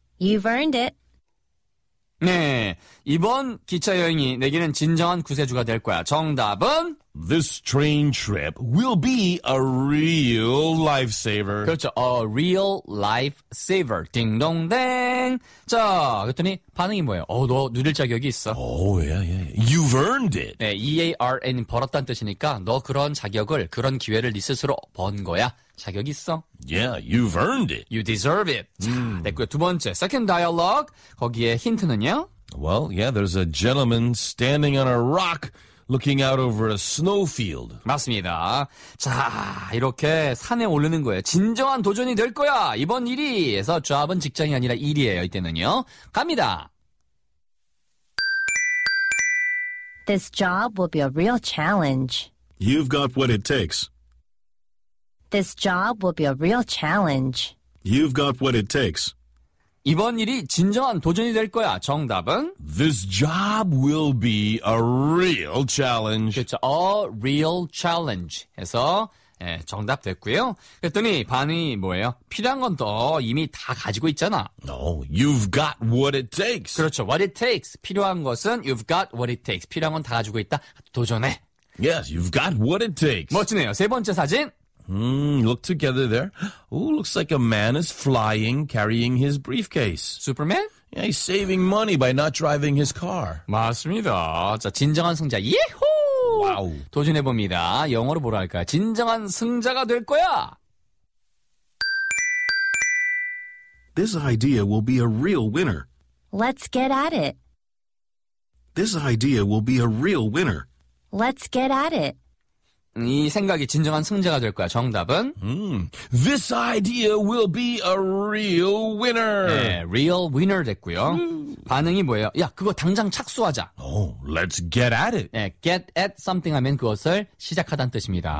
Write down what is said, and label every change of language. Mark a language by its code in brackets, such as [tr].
[en] You've earned it. [ko] 네, 이번 기차 여행이 내게는 진정한 구세주가 될 거야. 정답은? [en] This train trip will be a real lifesaver. [ko] 그렇죠, [en] a real lifesaver. [ko] 딩동댕. 자, 그랬더니 반응이 뭐예요? 너 누릴 자격이 있어. [en] Oh, yeah, yeah. You've earned it. [ko] 네, E-A-R-N, 벌었다는 뜻이니까 너 그런 자격을, 그런 기회를 네 스스로 번 거야. 자격 있어. [en] Yeah, you've earned it. You deserve it. [ko] 자, 됐고요. 두 번째, [en] second dialogue. [ko] 거기에 힌트는요? [en] Well, yeah, there's a gentleman standing on a rock looking out over a snowfield. [ko] 맞습니다. 자, 이렇게 산에 오르는 거예요. 진정한 도전이 될 거야. 이번 일이. 그래서 job은 직장이 아니라 일이에요. 이때는요. 갑니다. [en] This job will be a real challenge. You've got what it takes. This job will be a real challenge. You've got what it takes. [ko] 이번 일이 진정한 도전이 될 거야. 정답은? [en] This job will be a real challenge. [ko] 그렇죠. [en] A real challenge. [ko] 해서 예, 정답 됐고요. 그랬더니 반이 뭐예요? 필요한 건 너 이미 다 가지고 있잖아. [en] No, you've got what it takes. [ko] 그렇죠. [en] What it takes. [ko] 필요한 것은 [en] you've got what it takes. [ko] 필요한 건 다 가지고 있다. 도전해. [en] Yes, you've got what it takes. [ko] 멋지네요. 세 번째 사진. [en] Look together there. Ooh, looks like a man is flying, carrying his briefcase. Superman? Yeah, he's saving money by not driving his car. [ko] 맞습니다. 자, 진정한 승자. 예호! 와우. 도전해봅니다. 영어로 뭐라 할까요? 진정한 승자가 될 거야! [en] This idea will be a real winner. Let's get at it. This idea will be a real winner. Let's get at it. [ko] 이 생각이 진정한 승자가 될 거야. 정답은? [en] This idea will be a real winner. [ko] 네, [en] real winner [ko] 됐고요. 반응이 뭐예요? 야, 그거 당장 착수하자. [en] Oh, let's get at it. [ko] 네, get at something 하면 그것을 시작하다는 뜻입니다.